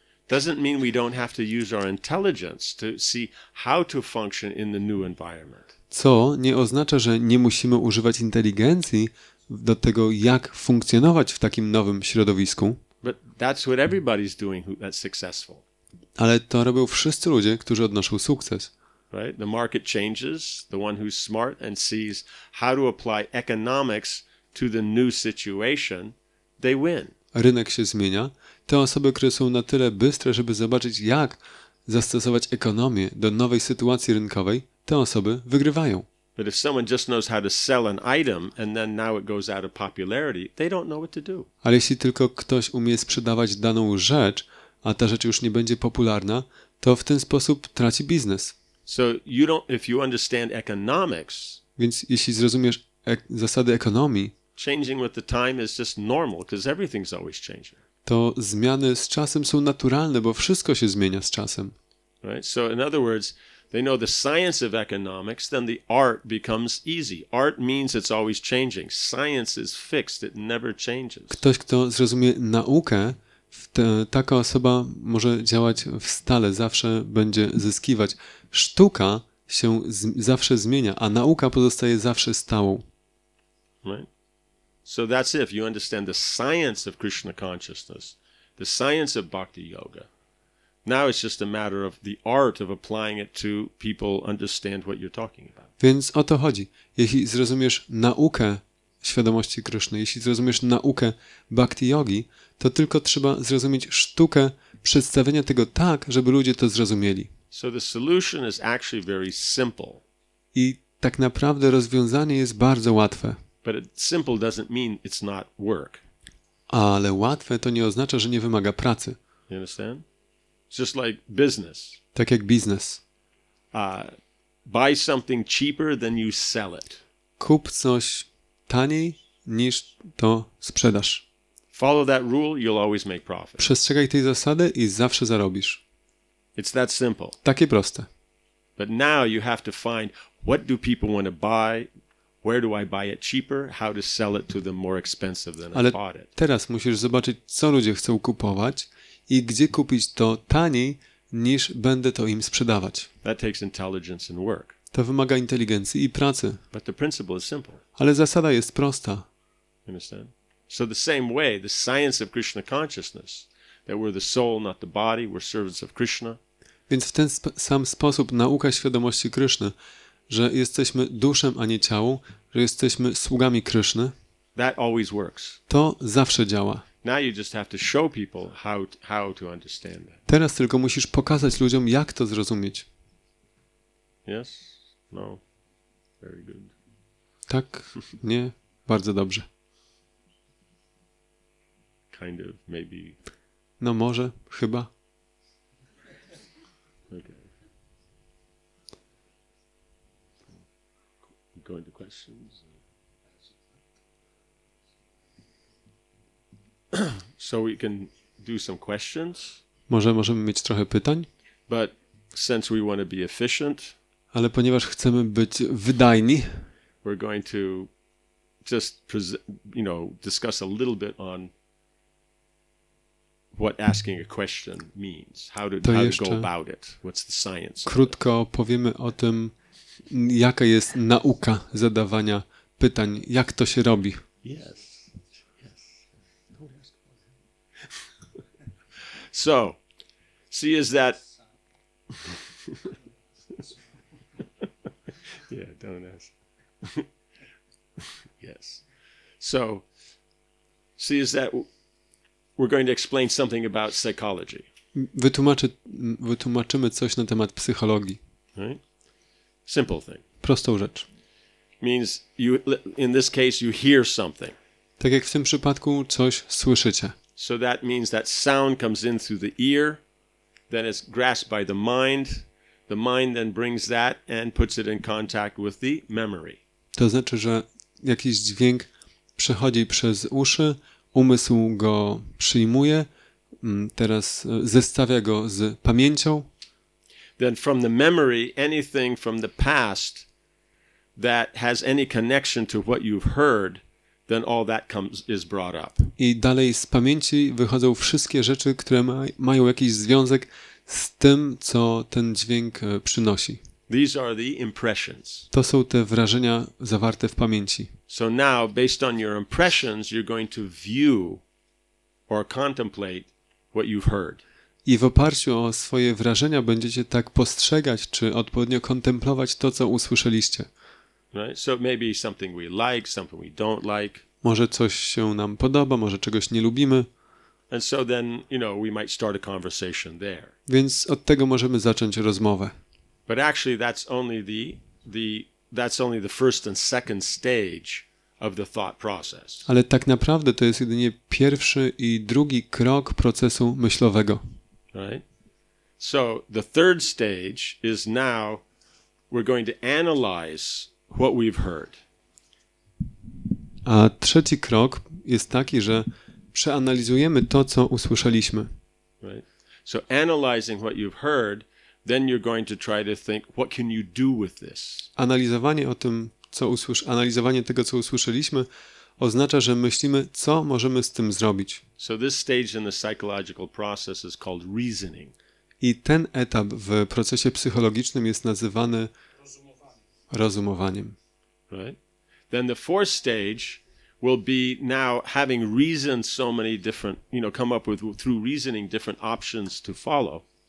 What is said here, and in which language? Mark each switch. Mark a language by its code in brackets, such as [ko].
[en] Doesn't mean we don't have to use our intelligence to see how to function in the new environment. [pl] Co nie oznacza, że nie musimy używać inteligencji do tego, jak funkcjonować w takim nowym środowisku. [en] But that's what everybody's doing that's successful. [pl] Ale to robią wszyscy ludzie, którzy odnoszą sukces. [en] Right? The market changes, the one who's smart and sees how to apply economics to the new situation, they win. [pl] Rynek się zmienia. Te osoby, które są na tyle bystre, żeby zobaczyć, jak zastosować ekonomię do nowej sytuacji rynkowej, te osoby wygrywają. [en] But if someone just knows how to sell an item and then now it goes out of popularity, they don't know what to do. [pl] Ale jeśli tylko ktoś umie sprzedawać daną rzecz, a ta rzecz już nie będzie popularna, to w ten sposób traci biznes. [en] So you don't, if you understand economics, [pl] więc jeśli zrozumiesz zasady ekonomii, [en] changing with the time is just normal because everything's always changing. [pl] To zmiany z czasem są naturalne, bo wszystko się zmienia z czasem. [en] Right? So in other words, they know the science of economics, then the art becomes easy. Art means it's always changing. Science is fixed, it never changes. [pl] Ktoś, kto zrozumie naukę, taka osoba może działać w stale, zawsze będzie zyskiwać. Sztuka się zawsze zmienia, a nauka pozostaje zawsze stałą. [en] Right. So that's it. If you understand the science of Krishna consciousness, the science of bhakti yoga. Now it's just a matter of the art of applying it to people understand what you're talking about. [pl] Więc o to chodzi. Jeśli zrozumiesz naukę świadomości Kryszny, jeśli zrozumiesz naukę bhakti yogi, to tylko trzeba zrozumieć sztukę przedstawienia tego tak, żeby ludzie to zrozumieli. [en] So the solution is actually very simple. [pl] I tak naprawdę rozwiązanie jest bardzo łatwe. [en] But simple doesn't mean it's not work. [pl] Ale łatwe to nie oznacza, że nie wymaga pracy. [en] You understand? It's just like business. [pl] Tak jak biznes. [en] Buy something cheaper than you sell it. [pl] Kup coś taniej niż to sprzedasz. [en] Follow that rule, you'll always make profit. [pl] Przestrzegaj tej zasady i zawsze zarobisz. [en] It's that simple. [pl] Takie proste. [en] But now you have to find what do people want to buy. Where do I buy it cheaper? How to sell it to them more expensive than [pl] ale [en] I bought it? [pl] Teraz musisz zobaczyć, co ludzie chcą kupować i gdzie kupić to taniej, niż będę to im sprzedawać. [en] That takes intelligence and work. [pl] To wymaga inteligencji i pracy. [en] But the principle is simple. [pl] Ale zasada jest prosta. [en] Understand? So the same way, the science of Krishna consciousness, that we're the soul, not the body, we're servants of Krishna. [pl] Więc w ten sam sposób nauka świadomości Kryszny, że jesteśmy duszem, a nie ciałą, że jesteśmy sługami Kryszny, [en] that always works. [pl] To zawsze działa. [en] Now you just have to show people how to understand that. [pl] Teraz tylko musisz pokazać ludziom, jak to zrozumieć. [en] Yes? No? Very good. [pl] Tak? Nie? Bardzo dobrze. [en] Kind of, maybe. [pl] No może, chyba. [en] Okay. Going to questions. So we can do some questions. [pl] Możemy mieć trochę pytań. [en] But since we want to be efficient, [pl] ale ponieważ chcemy być wydajni, [en] we're going to just discuss a little bit on what asking a question means. How to go about it. What's the science? [pl] Krótko powiemy o tym, jaka jest nauka zadawania pytań, jak to się robi? [en] Yes. Yes. Don't ask about that. So, see, is that. Yeah, don't ask. Yes. So, see, is that we're going to explain something about psychology. [pl] Wytłumaczymy coś na temat psychologii. [en] Right? Simple thing. [pl] Prostą rzecz. [en] Means you in this case you hear something. [pl] Tak jak w tym przypadku coś słyszycie. [en] So that means that sound comes in through the ear, then it's grasped by the mind. The mind then brings that and puts it in contact with the memory. [pl] To znaczy, że jakiś dźwięk przechodzi przez uszy, umysł go przyjmuje, teraz zestawia go z pamięcią. [en] Then from the memory, anything from the past that has any connection to what you've heard, then all that comes is brought up. [pl] I dalej z pamięci wychodzą wszystkie rzeczy, które mają jakiś związek z tym, co ten dźwięk przynosi. [en] These are the impressions. [pl] To są te wrażenia zawarte w pamięci. [en] So now, based on your impressions, you're going to view or contemplate what you've heard. [pl] I w oparciu o swoje wrażenia będziecie tak postrzegać, czy odpowiednio kontemplować to, co usłyszeliście. [en] Right? So maybe something we like, something we don't like. [pl] Może coś się nam podoba, może czegoś nie lubimy. [en] And so then, we might start a conversation there. [pl] Więc od tego możemy zacząć rozmowę. [en] But actually that's only the first and second stage of the thought process. [pl] Ale tak naprawdę to jest jedynie pierwszy i drugi krok procesu myślowego. [en] Right. So the third stage is now we're going to analyze what we've heard. [pl] A trzeci krok jest taki, że przeanalizujemy to, co usłyszeliśmy. [en] Right. So analyzing what you've heard, then you're going to try to think, what can you do with this? [pl] Analizowanie o tym, co analizowanie tego, co usłyszeliśmy, oznacza, że myślimy, co możemy z tym zrobić. [en] So this stage in the psychological process is called reasoning. [pl] I ten etap w procesie psychologicznym jest nazywany rozumowaniem. [en] Right? Then the fourth stage will be now having reasoned so many different, you know, come up with through reasoning different options to follow.